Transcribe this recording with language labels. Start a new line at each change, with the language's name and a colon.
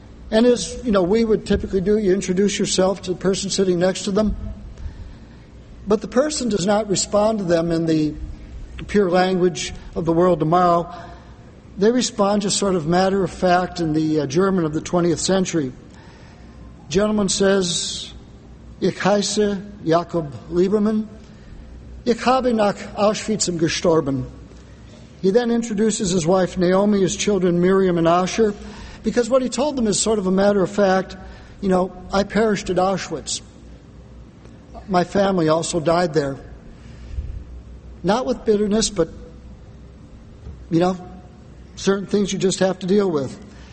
English: And as you know, we would typically do, you introduce yourself to the person sitting next to them. But the person does not respond to them in the pure language of the world tomorrow. They respond just sort of matter-of-fact in the German of the 20th century. Gentleman says,
German: Ich heiße
English: Jakob Liebermann.
German: Ich habe nach Auschwitz gestorben.
English: He then introduces his wife Naomi, his children Miriam and Asher, because what he told them is sort of a matter of fact, you know, I perished at Auschwitz. My family also died there. Not with bitterness, but, you know, certain things you just have to deal with.